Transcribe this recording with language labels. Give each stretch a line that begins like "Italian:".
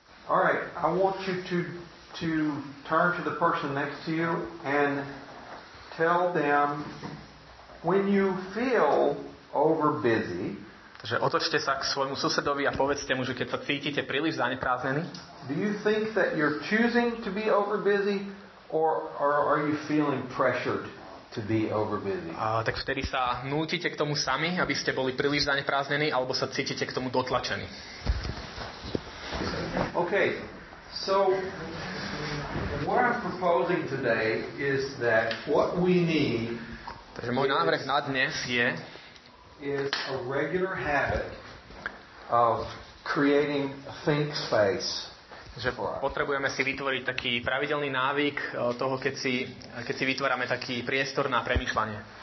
English: All right, I want you to turn to the person next to you and tell them when you feel over busy.
Slovak: Takže otočte sa k svojmu susedovi a povedzte mu, že keď sa cítite príliš zaneprázdnený.
English: Do you think that you're choosing to be over busy or are you feeling pressured to be over busy?
Slovak: Tak vtedy sa nútite k tomu sami, aby ste boli príliš zaneprázdnení, alebo sa cítite k tomu dotlačení.
English: Okay. So what I'm proposing today is that what we need.
Slovak: Takže môj návrh na dnes je
English: is a regular habit of creating a think space.
Slovak: Že potrebujeme si vytvoriť taký pravidelný návyk toho, keď si vytvárame taký priestor na premýšľanie.